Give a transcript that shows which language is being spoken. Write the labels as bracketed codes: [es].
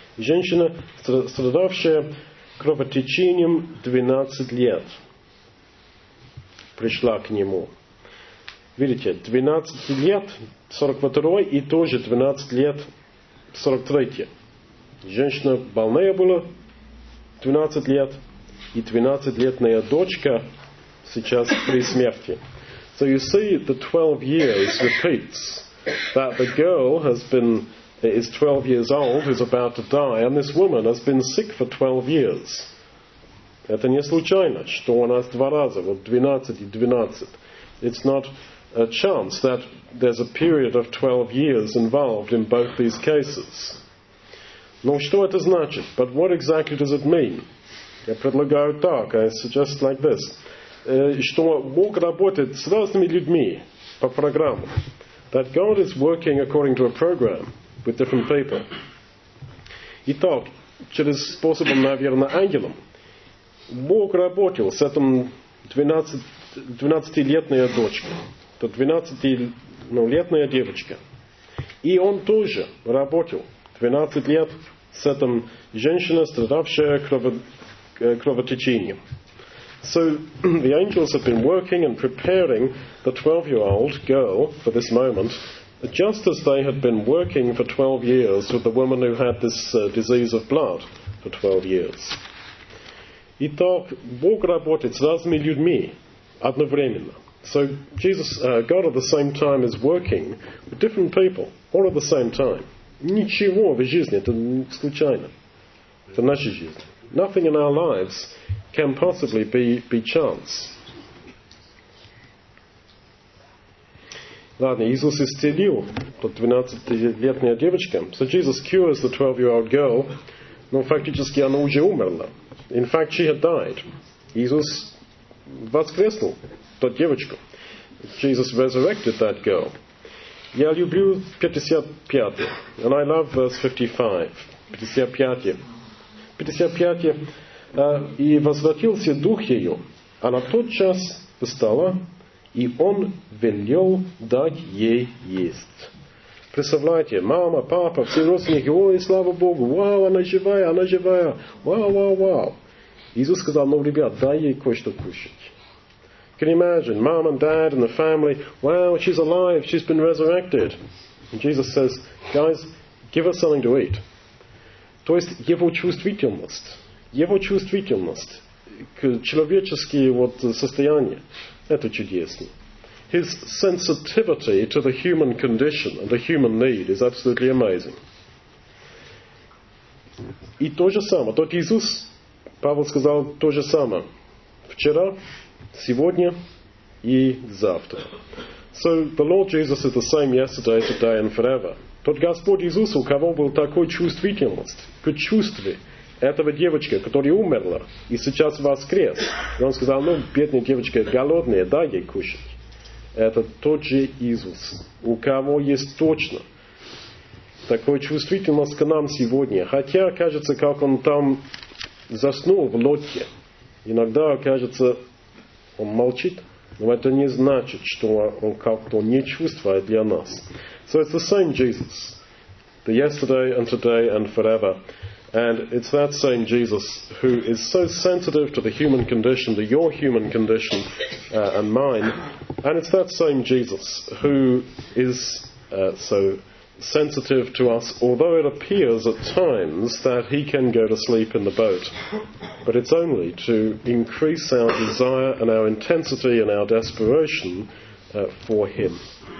[ru] Женщина, страдавшая кровотечением 12 лет, пришла к нему. Видите, 12 лет, 42, и тоже 12 лет, 43. Женщина больная была 12 лет, и 12-летняя дочка сейчас при смерти. [en] So you see the 12 years repeats that the girl has been is 12 years old, is about to die, and this woman has been sick for 12 years. [ru] Это не случайно, что у нас два раза, вот 12 и 12. [en] It's not a chance that there's a period of 12 years involved in both these cases. [ru] Но что это значит? [en] But what exactly does it mean? [ru] Я предлагаю так, [en] I suggest like this. [ru] Что Бог работает с разными людьми по программе. [en] That God is working according to a program with different people. [ru] Итак, через способ, наверное, ангелом. Бог работал с этим 12-летней дочкой. Это 12-летняя девочка. И он тоже работал 12 лет с этим женщиной, страдавшая кровотечением. [en] So the angels have been working and preparing the 12-year-old girl for this moment, just as they had been working for 12 years with the woman who had this disease of blood for 12 years. [ru] Итак, Бог работает с разными людьми одновременно. [en] So Jesus, God at the same time is working with different people, all at the same time. [ru] Ничего в жизни, это случайно. Это наша жизнь. [en] Nothing in our lives can possibly be chance. [ru] Ладно, Иисус исцелил 12-летняя девочка. [en] So Jesus cures the 12-year-old girl, [ru] но фактически она уже умерла. [en] In fact, she had died. [ru] Иисус воскреснул ту девочку. [en] Jesus resurrected that girl. [ru] Я люблю 55-е. [en] And I love verse 55. 55-е. [ru] И возвратился дух ее. Она тотчас встала, и он велел дать ей есть. Представляете, мама, папа, все родственники, ой, слава Богу, вау, она живая, она живая. Вау, вау, вау. Иисус сказал, ну, ребят, дай ей кое-что кушать. [en] Can you imagine, mom and dad and the family, wow, she's alive, she's been resurrected. And Jesus says, guys, give her something to eat. [ru] То есть, его чувствительность к человеческому вот состоянию, это чудесно. [en] His sensitivity to the human condition and the human need is absolutely amazing. [ru] И то же самое, тот Иисус, Павел сказал то же самое вчера, сегодня и завтра. [en] So the Lord Jesus is the same yesterday, today and forever. [ru] Тот Господь Иисус, у кого был такой чувствительность к чувству этого девочки, которая умерла и сейчас воскрес. И он сказал, ну, бедная девочка голодная, дай ей кушать. Это тот же Иисус, у кого есть точно такой чувствительность к нам сегодня. Хотя, кажется, как он там заснул в лодке. Иногда, кажется, он молчит. Но это не значит, что он как-то не чувствует для нас. [en] So it's the same Jesus. The yesterday and today and forever. And it's that same Jesus who is so sensitive to the human condition, to your human condition and mine. And it's that same Jesus who is so sensitive to us, although it appears at times that he can go to sleep in the boat, but it's only to increase our desire and our intensity and our desperation for him.